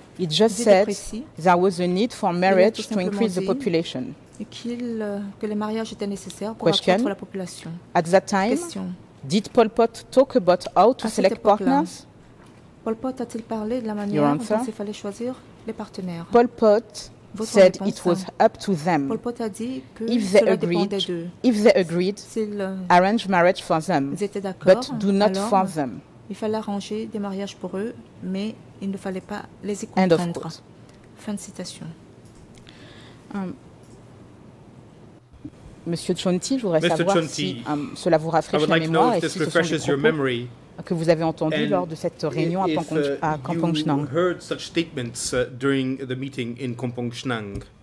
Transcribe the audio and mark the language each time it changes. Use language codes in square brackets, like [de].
[en] He just said there was a need for marriage to increase the population. [fr] Que les mariages étaient nécessaires pour accroître la population. [en] At that time, did Pol Pot talk about how to select partners? [fr] Pol Pot a-t-il parlé de la manière dont il fallait choisir les partenaires? [en] Pol Pot said it was up to them. [fr] Pol Pot a dit que cela dépendait d'eux. [en] If they agreed, arrange marriage for them. [fr] Ils étaient d'accord, [en] but do not for them. [fr] Il fallait arranger des mariages pour eux, mais il ne fallait pas les y contraindre. Fin de citation. Monsieur Chonti, je voudrais savoir si cela vous rafraîchit la mémoire et si ce sont des propos que vous avez entendus lors de cette réunion à Kampong Chhnang. [en] You heard such statements during the meeting in Kampong Chhnang.